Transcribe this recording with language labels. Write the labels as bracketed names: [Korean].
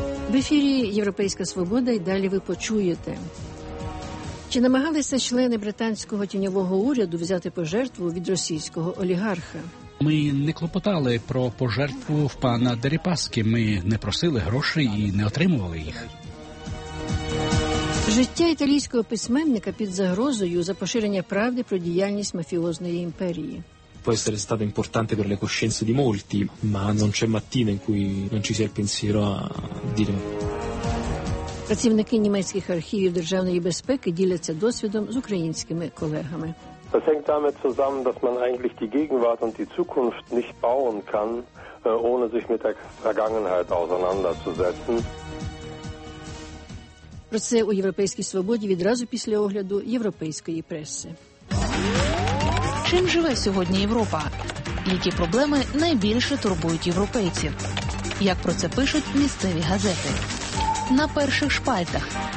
[Ukrainian] В ефірі «Європейська свобода» і далі ви почуєте. Чи намагалися члени британського тіньового уряду взяти пожертву від російського олігарха? Ми не клопотали про пожертву в пана Дерипаски. Ми не просили грошей і не отримували їх. Життя італійського письменника під загрозою за поширення правди про діяльність мафіозної імперії. [Italian] Può essere stato importante per le coscienze di molti, ma non c'è mattina in cui non ci sia il pensiero a dire. [Ukrainian] Працівники німецьких архівів державної безпеки діляться досвідом з українськими колегами. [German] Das hängt damit zusammen, dass man eigentlich die Gegenwart und die Zukunft nicht bauen kann, ohne sich mit der Vergangenheit auseinanderzusetzen. [Ukrainian] Про це у «Європейській свободі» відразу після огляду європейської преси. Чим живе сьогодні Європа? Які проблеми найбільше турбують європейців? Як про це пишуть місцеві газети? На перших шпальтах.